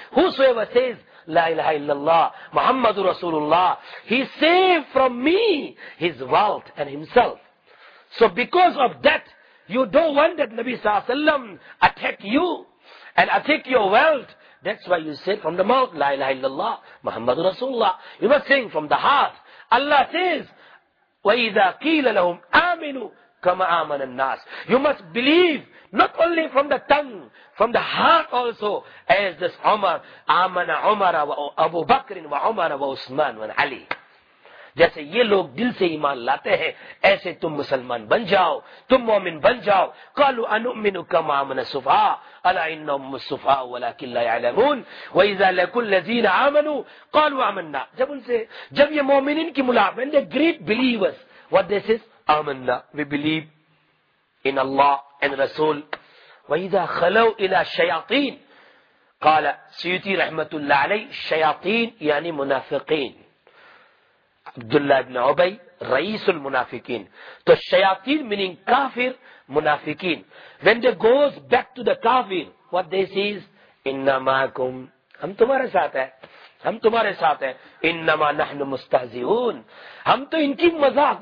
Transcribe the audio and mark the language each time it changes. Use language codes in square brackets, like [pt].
[en] Whosoever says, [ar] La ilaha illallah, Muhammadur Rasulullah, [en] he saved from me his wealth and himself. So because of that, you don't want that Nabi Sassam attack you. And I take your wealth. That's why you said from the mouth, [ar] La ilaha illallah, Muhammadur Rasulullah. [en] You must sing from the heart. Allah says, [ar] وَإِذَا قِيلَ لَهُمْ آمِنُوا كَمَا آمَنَ النَّاسِ. [en] You must believe, not only from the tongue, from the heart also, as this Umar, [ar] آمَنَ عُمَرَ وَأَبُو بَكْرٍ وَعُمَرَ وَعُثْمَانَ وَعَلِي. [ur] جیسے یہ لوگ دل سے ایمان لاتے ہیں ایسے تم مسلمان بن جاؤ تم مومن بن جاؤ. [ar] قالوا انؤمن كما امن السفهاء الا انهم السفهاء ولكن لا يعلمون واذا لكل الذين امنوا قالوا امننا. [ur] جب ان سے جب یہ مومنین کی ملاقات ہے, [en] The great believers, what they say, امننا, we believe in Allah and رسول. [ar] واذا خلو الى الشياطين قال سيوتي رحمه الله علی الشياطين [ur] یعنی منافقین. [en] Abdullah ibn Ubay, Rais al-Munafiqeen. So, Shayateen meaning Kafir, Munafiqeen. When they goes back to the Kafir, what they say is, [ar] Inna ma'akum. [ur] Hum tumhare saath hai. Hum tumhare saath hai. [ar] Inna ma nahnu mustahzi'oon. [ur] Hum to inki mazak.